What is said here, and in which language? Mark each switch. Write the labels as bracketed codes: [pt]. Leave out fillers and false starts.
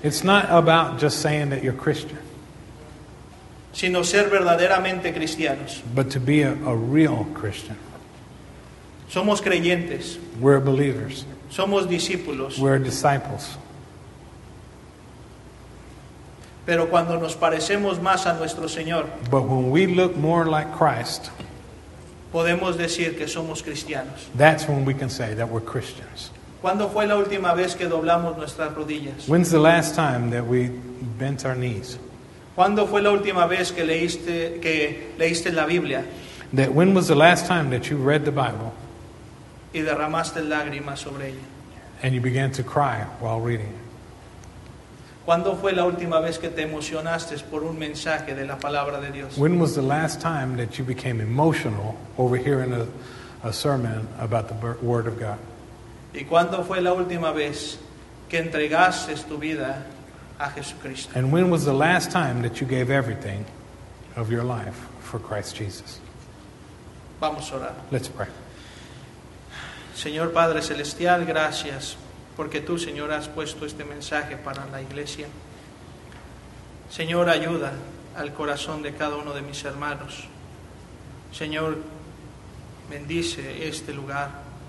[en] It's not about just saying that you're Christian. [es] Sino ser verdaderamente cristianos. [en] But to be a real Christian. [es] Somos creyentes. [en] We're believers. [es] Somos discípulos. [en] We're disciples. [es] Pero cuando nos parecemos más a nuestro Señor, [en] but when we look more like Christ, [es] podemos decir que somos cristianos. [en] That's when we can say that we're Christians. [es] ¿Cuándo fue la última vez que doblamos nuestras rodillas? [en] When's the last time that we bent our knees? [es] ¿Cuándo fue la última vez que leíste la Biblia? [en] That when was the last time that you read the Bible? [es] Y derramaste lágrimas sobre ella. [en] And you began to cry while reading. [es] ¿Cuándo fue la última vez que te emocionaste por un mensaje de la palabra de Dios? [en] When was the last time that you became emotional over hearing a sermon about the word of God? [es] ¿Y cuándo fue la última vez que entregaste tu vida a Jesucristo? [en] And when was the last time that you gave everything of your life for Christ Jesus? [es] Vamos a orar. [en] Let's pray. [es] Señor Padre Celestial, gracias porque tú, Señor, has puesto este mensaje para la iglesia. Señor, ayuda al corazón de cada uno de mis hermanos. Señor, bendice este lugar.